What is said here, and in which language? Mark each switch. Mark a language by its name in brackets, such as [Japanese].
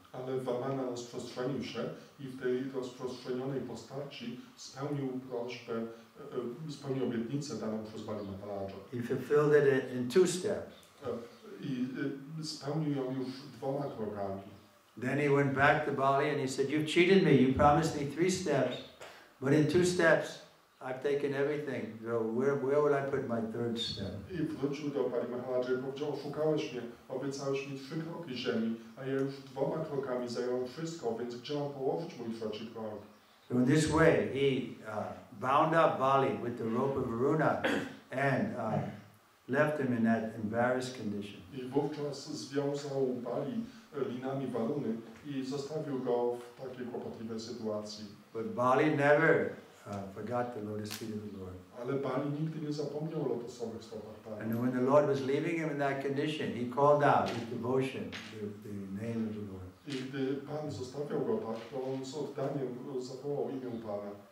[Polish] Ale Vamana rozprostrzenił się i w tej rozprostrzenionej postaci spełnił prośbę, spełnił obietnicę daną przez Bali Maharaja. [English] He fulfilled it in two steps. [Polish] I spełnił ją już dwoma krokami. [English] Then he went back to Bali and he said, "You cheated me. You promised me three steps, but in two steps, I've taken everything. So where will I put my third step?" [Polish] I wrócił do Bali Maharaja i powiedział, "Oszukałeś mnie. Obiecałeś mi trzy kroki ziemi, a ja już dwoma krokami zająłem wszystko, więc gdzie mam położyć mój trzeci krok?" [English] So in this way, he bound up Bali with the rope of Varuna and left him in that embarrassed condition. [Polish] I wówczas związał Bali linami Varuny i zostawił go w takiej kłopotliwej sytuacji. [English] But Bali never forgot the lotus feet of the Lord. [Polish] Ale Bali nigdy nie zapomniał o lotosowych stopach Pana. [English] And when the Lord was leaving him in that condition, he called out with devotion the name of the Lord. [Polish] I gdy Pan zostawiał go tak, to on z oddaniem zawołał imię Pana.